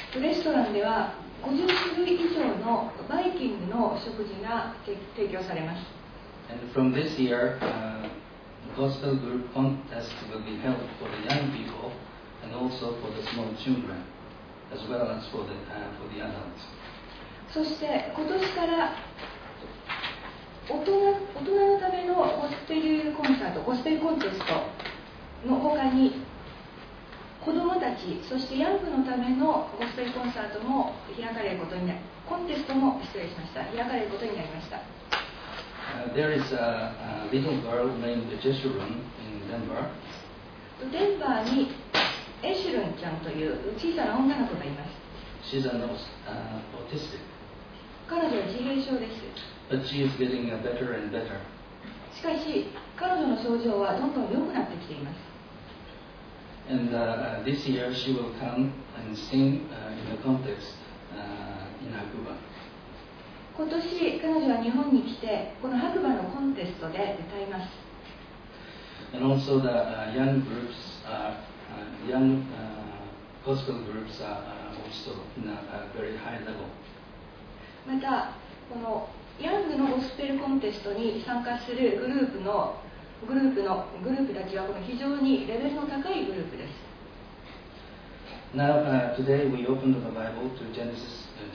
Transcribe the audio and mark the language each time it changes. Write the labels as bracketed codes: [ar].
[ja] レストランでは50種類以上のバイキングの食事が提供されます。 [en] And from this year, gospel group contest will be held for the young people and also for the small children, as well as for the adults. [ja] そして今年から大人のためのゴスペルコンサート、ゴスペルコンテストの他に子どもたち、そしてヤングのためのゴスペルコンサートも開かれることになり、コンテストも失礼しました。開かれることになりました。 [en] There is a little girl named Jeshurun in Denver. [ja] デンバーにエシュルンちゃんという小さな女の子がいます。 [en] She's an autistic. [ja] 彼女は自閉症です。 [en] But she is getting better and better. [ja] しかし、彼女の症状はどんどん良くなってきています。 [en] And this year she will come and sing in the context in Hakuba. [ja] 今年彼女は日本に来てこの白馬のコンテストで歌います。 [en] And also the young groups are young gospel groups are also in a very high level. [ja] またこのヤングのゴスペルコンテストに参加するグループたちはこの非常にレベルの高いグループです。 [en] Now, today we opened the Bible to Genesis